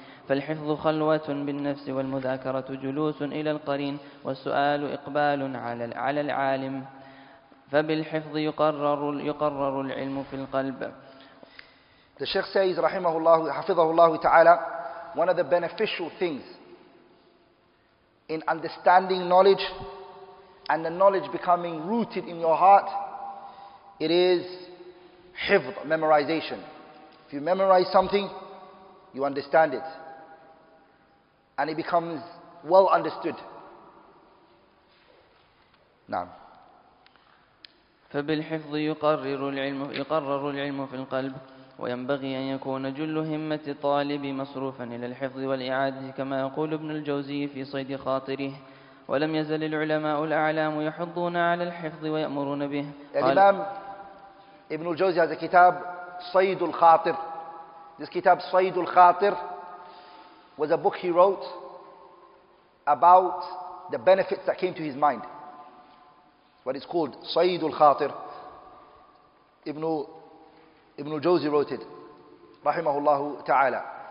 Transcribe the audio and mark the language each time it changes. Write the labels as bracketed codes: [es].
[ar] فالحفظ خلوة بالنفس والمذاكرة جلوس إلى القرين والسؤال إقبال على العالم فبالحفظ يقرر العلم في القلب. [en] The Sheikh says [ar] رحمه الله حفظه الله تعالى, [en] one of the beneficial things in understanding knowledge and the knowledge becoming rooted in your heart, it is حفظ, memorization. If you memorize something, you understand it and it becomes well understood. [ar] نعم. فبالحفظ يقرر العلم في القلب وينبغي أن يكون جل همة الطالب مصروفا إلى الحفظ والإعادة كما يقول ابن الجوزي في صيد خاطره ولم يزل العلماء الأعلام يحضون على الحفظ ويأمرون به. الإمام ابن الجوزي هذا كتاب صيد الخاطر. [en] This كتاب صيد الخاطر was a book he wrote about the benefits that came to his mind. What is called Sayyidul Khatir. Ibn Jawzi wrote it, rahimahullahu ta'ala.